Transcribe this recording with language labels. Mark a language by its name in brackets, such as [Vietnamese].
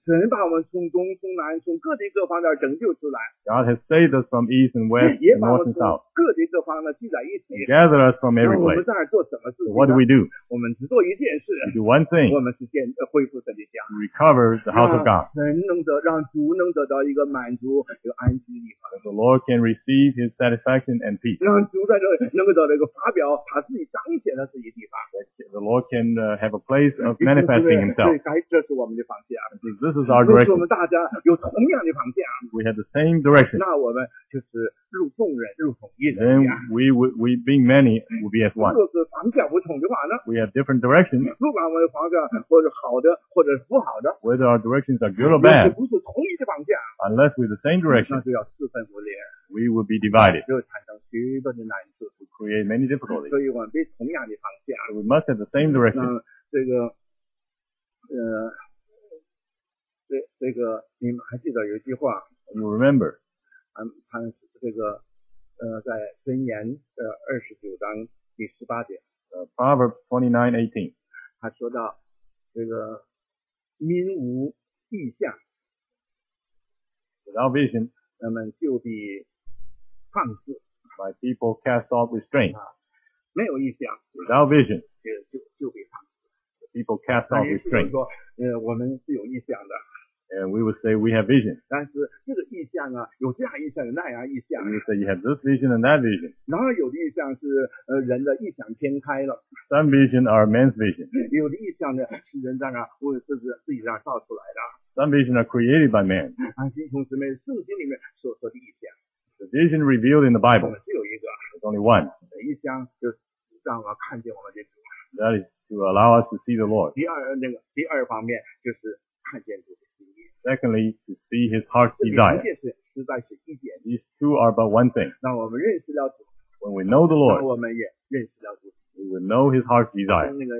[Chinese] 神把我们从东、从南、从各地各方面拯救出来。God [English] has saved us from east and west and north and south. [Chinese] 各地各方面聚在一起。 [English] Gather us from every place. [Chinese] 我们在这儿做什么事情？ [English] So what do we do? [Chinese] 我们只做一件事。 [English] We do one thing. [Chinese] 我们是恢复神的家。 [English] Recover the house of God. [Chinese] 让主能得到一个满足、一个安息的地方。 [English] The Lord can receive His satisfaction and peace. [Chinese] 让主在这。能够找到一个发表他自己彰显的这些地方。 [English] The Lord can have a place of manifesting himself. [Chinese] 这是我们的方向。 [English] This is our direction. [Chinese] 我们大家有同样的方向。 [English] We have the same direction. [Chinese] 那我们就是入众人入统一的。 [English] Then we being many will be as one. [Chinese] 如果是方向不同的话呢？ [English] We have different directions. [Chinese] 不管我们的方向或者好的或者不好的。 [English] Whether our directions are good or bad. [Chinese] 不是同一的方向。 [English] Unless we're the same direction. [Chinese] 那就要四分五裂。 [English] We will be divided. [Chinese] 就产生许多的难处。 [English] create many difficulties. [Chinese] 所以我们得同样的方向。 [English] So、we must have the same direction. [Chinese] 那这个，这个，你们还记得有一句话 [English] ？You remember? [Chinese] 谈这个，在箴言的29章第十八节。 [English] Proverbs 29:18. [Chinese] 他说到这个民无意象。 [English] Without vision, [Chinese] 那么就必放肆。 [English] My people cast off restraint. [Chinese] 没有意象。 [English] Without vision, [Chinese] 就必放肆。 [English] People cast off restraint. [Chinese] 说，我们是有意象的。 [English] And we would say we have vision. [Chinese] 但是这个意象啊，有这样意象，有那样意象。 [English] You say you have this vision and that vision. [Chinese] 然后有的意象是人的意想天开了。 [English] Some vision are man's vision. [Chinese] 有的意象呢是人在那或者是自己在那造出来的。 [English] Some vision are created by man. [Chinese] 啊，弟兄姊妹，圣经里面所说的意象。 [English] The vision revealed in the Bible. [Chinese] 只有一个。 [English] There's only one. [Chinese] 意象就让我看见我们的主。 [English] That is to allow us to see the Lord. [Chinese] 第二方面就是看见主。 [English] Secondly, to see his heart's desire. These two are but one thing. When we know the Lord, we will know his heart's desire.